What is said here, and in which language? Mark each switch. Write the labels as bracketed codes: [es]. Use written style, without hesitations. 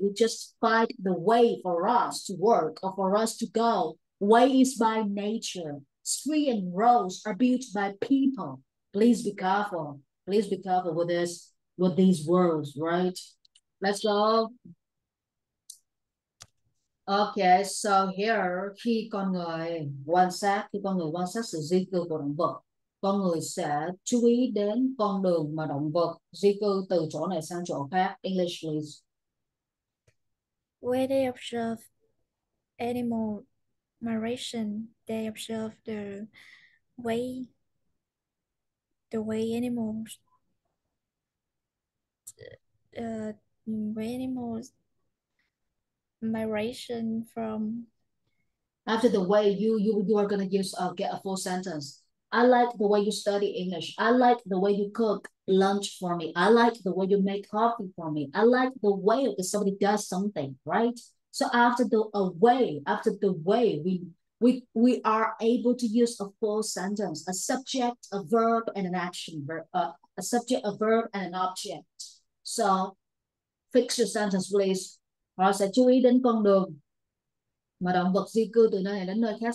[en] We just find the way for us to work or for us to go. Way is by nature. Street and roads are built by people. Please be careful. Please be careful with this, with these words, right? Let's go. Okay, so here, [vi] khi con người quan sát sự di cư của động vật, con người sẽ chú ý đến con đường mà động vật di cư từ chỗ này sang chỗ khác. [en] English, please. Where they observe animal migration, they observe the way animals migration from. After the way you are gonna use get a full sentence. I like the way you study English. I like the way you cook lunch for me. I like the way you make coffee for me. I like the way that somebody does something, right? So after the way we are able to use a full sentence, a subject, a verb, and an action verb, a subject, a verb, and an object. So fix your sentence, please. [vi] Họ sẽ chú ý đến con đường mà động vật di cư từ nơi này đến nơi khác.